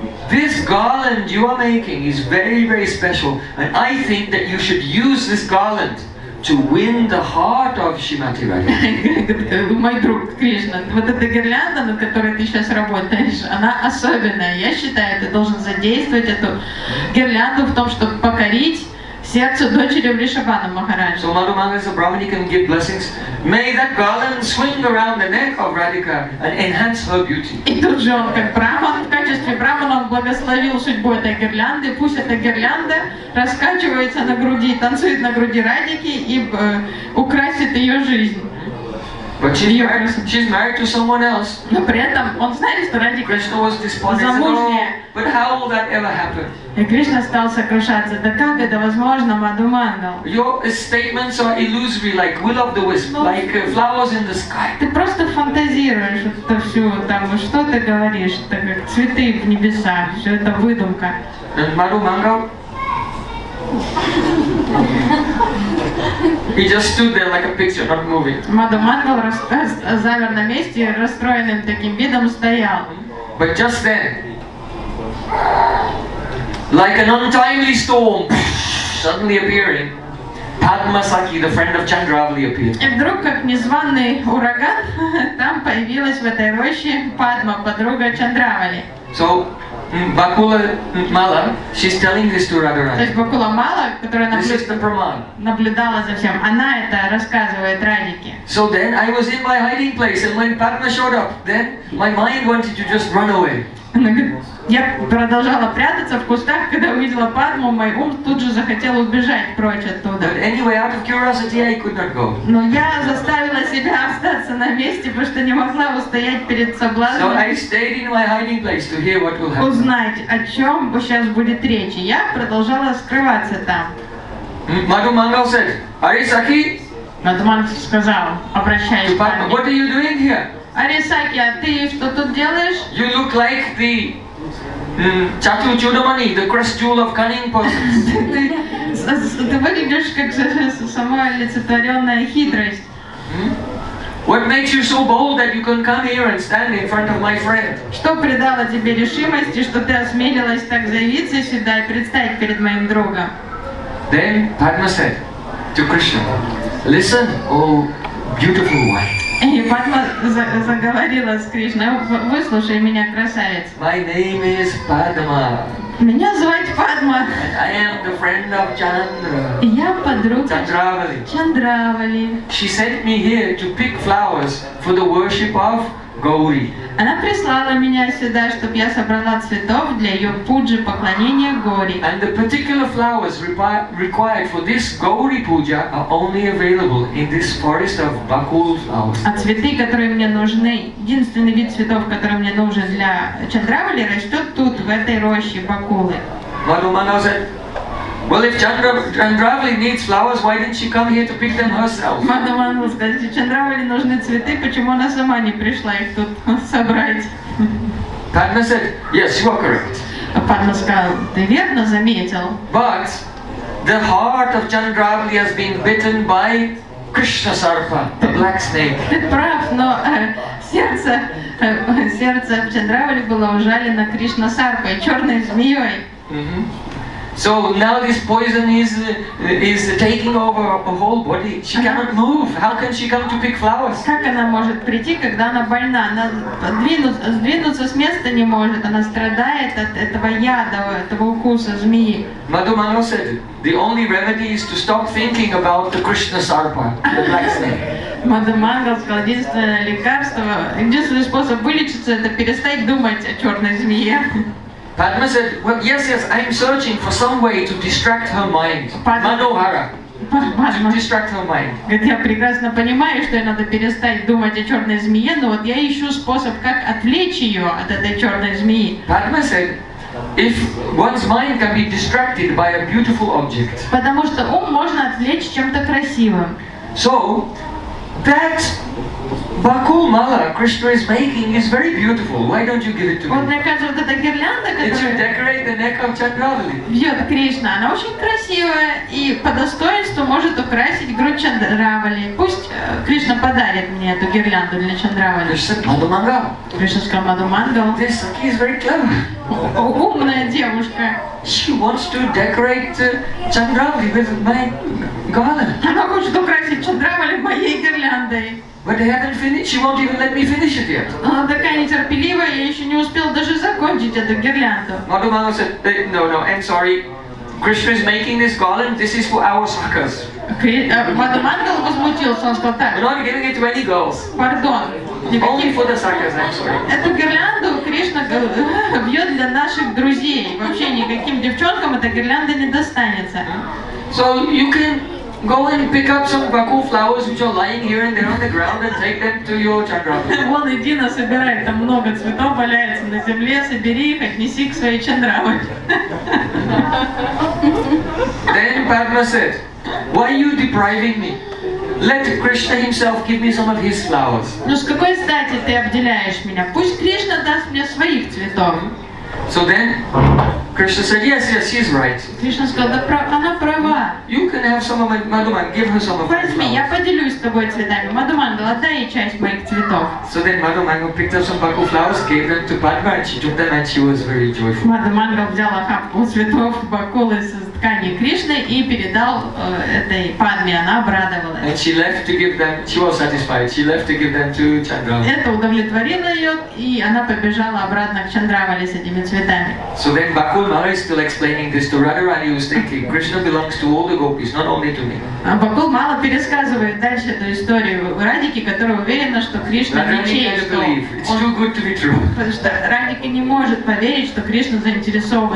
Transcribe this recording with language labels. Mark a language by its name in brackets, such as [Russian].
[English] This garland you are making is very, very special, and I think that you should use this garland to win the heart of Shrimati Radhika. [Russian] Мой друг Кришна, вот эта гирлянда, над которой ты сейчас работаешь, она особенная. Я считаю, ты должен задействовать эту гирлянду в том, чтобы покорить сердце дочери Вришабана Махараджи. [English] So Madhu Mangal is a Brahmin, he can give blessings. May that garland swing around the neck of Radhika and enhance her beauty. [Russian] И тут же он как Браман, в качестве Брамана он благословил судьбу этой гирлянды. Пусть эта гирлянда раскачивается на груди, танцует на груди Радики и украсит ее жизнь. [English] But she's married to someone else. [Russian] Но при этом он знает, что Радика замужняя. [English] But how will that ever happen? [Russian] И Кришна стал сокрушаться. Да как это возможно, Madhu Mangal? [English] Your statements are illusory, like will of the wisp, like flowers in the sky. [Russian] Ты просто фантазируешь это все там. Что ты говоришь? Это как цветы в небесах. Все это выдумка. [English] And Madhu Mangal? He just stood there like a picture, not moving. [Russian] Madhu Mangal замер на месте, расстроенным таким видом стоял. [English] But just then, like an untimely storm, suddenly appearing, Padmasakhi, the friend of Chandravali, appeared. [Russian] И вдруг, как незваный ураган, там появилась в этой роще Падма, подруга Чандравали. [English] So, Бакула Мала, she's telling this to Радхарани. [Russian] То есть Бакула Мала, которая наблюдала за всем, она это рассказывает Радике. [English] So then I was in my hiding place, and when Padma showed up, then my mind wanted to just run away. [Russian] Я продолжала прятаться в кустах, когда увидела Падму, мой ум тут же захотел убежать прочь оттуда. [English] But anyway, out of curiosity, I could not go. [Russian] Но я заставила себя остаться на месте, потому что не могла устоять перед соблазном. [English] So I stayed in my hiding place to hear what will happen. [Russian] Узнать, о чем сейчас будет речь. Я продолжала скрываться там. [English] Madhu Mangal said, Are you Sakhi? [Russian] Madhu Mangal сказал, обращаясь к Падме. [English] What are you doing here? [Russian] Арисаки, а ты что тут делаешь? [English] You look like the Chatu Chudamani, the crest jewel of cunning persons. [Russian] Ты выглядишь как сама олицетворенная хитрость. [English] What makes you so bold that you can come here and stand in front of my friend? [Russian] Что придало тебе решимости, что ты осмелилась так заявиться сюда и предстать перед моим другом? [English] Then Padma said to Krishna, Listen, O beautiful one. [Russian] И Падма заговорила с Кришной, выслушай меня, красавец. [English] My name is Padma. [Russian] Меня звать Падма. [English] And I am the friend of Chandra. [Russian] И я подруга [English] Chandravali. [Russian] Chandravali. [English] She sent me here to pick flowers for the worship of Gauri. [Russian] Она прислала меня сюда, чтобы я собрала цветов для ее пуджи, поклонения Гори. [English] And the particular flowers required for this Gauri puja are only available in this forest of Bakul flowers. [Russian] А цветы, которые мне нужны, единственный вид цветов, который мне нужен для Чандравали, растет тут, в этой роще Бакулы. [English] Madhu Mangal said, Well, if Chandravali needs flowers, why didn't she come here to pick them herself? [Russian] Madhu Mangal сказал, если Чандравали нужны цветы, почему она сама не пришла их тут собрать? [English] Padma said, Yes, you are correct. [Russian] Padma сказал, ты верно заметил. [English] But the heart of Chandravali has been bitten by Krishna Sarpa, the black snake. [Russian] Ты прав, но сердце Чандравали было ужалено Кришна Сарпой, черной змеей. [English] So now this poison is taking over her whole body. She cannot move. How can she come to pick flowers? [Russian] Как она может прийти, когда она больна? Она сдвинуться с места не может. Она страдает от этого яда, этого укуса змеи. [English] Madhu Mangal said, the only remedy is to stop thinking about the Krishna Sarpa, the black snake. [Russian] Madhu Mangal сказал, единственный способ вылечиться – это перестать думать о черной змее. [English] Padma said, well, yes, I'm searching for some way to distract her mind. Manohara. Padma. To distract her mind. [Russian] Говорит, я прекрасно понимаю, что ей надо перестать думать о черной змее, но вот я ищу способ, как отвлечь ее от этой черной змеи. [English] Padma said, if one's mind can be distracted by a beautiful object. [Russian] Потому что ум можно отвлечь чем-то красивым. [English] So, that Bakul Mala Krishna is making is very beautiful. Why don't you give it to me? [Russian] Вот мне кажется, вот эта гирлянда, которая. [English] It should decorate the neck of Chandravali. [Russian] Бьет Кришна, она очень красивая и по достоинству может украсить грудь Чандравали. Пусть Кришна подарит мне эту гирлянду для Чандравали. Кришна сказал Мадумангал. [English] This is very clever. [Russian] Умная девушка. [English] She wants to decorate Chandravali with my garland. [Russian] Она хочет украсить Чандравали моей гирляндой. [English] But I haven't finished. She won't even let me finish it yet. [Russian] Она такая нетерпеливая, я еще не успел даже закончить эту гирлянду. [English] Мадумангал said, no, no, I'm sorry. Krishna is making this garland. This is for our suckers. [Russian] Мадумангал возмутился, он сказал так. [English] We're not giving it to any girls. Pardon. Only for the suckers, I'm sorry. [Russian] Эту гирлянду Кришна бьет для наших друзей. Вообще никаким девчонкам эта гирлянда не достанется. [English] So you can go and pick up some bakul flowers which are lying here and there on the ground and take them to your Chandravali. [Russian] Вон иди насобирай, там много цветов валяется на земле, собери их, отнеси к своей Чандравали. [English] Then Padma said, why are you depriving me? Let Krishna himself give me some of his flowers. [Russian] Ну с какой стати ты обделяешь меня? Пусть Кришна даст мне своих цветов. [English] So then Krishna said, yes, yes, he's right. [Russian] Кришна сказал, да, она права. [English] You can have some of my Madhuman, give her some of my flowers. [Russian] Я поделюсь с тобой цветами. Мадумангал, отдай ей часть моих цветов. [English] So then Мадумангал picked up some bakul flowers, gave them to Padma, and she took them and she was very joyful. [Russian] Мадумангал взял охапку цветов бакул из ткани Кришны и передал этой Падме. Она обрадовалась. [English] And she left to give them, she was satisfied. She left to give them to Чандравали. [Russian] Это удовлетворило ее, и она побежала обратно к Чандравали с этими цветами. [English] So then Bakul Mala is still explaining this to Radharani, who is thinking Krishna belongs to all the gopis, not only to me. [Russian] Bakul Mala пересказывает дальше эту историю Радике, которая уверена, что Кришна Радике не может поверить, что Кришна заинтересован.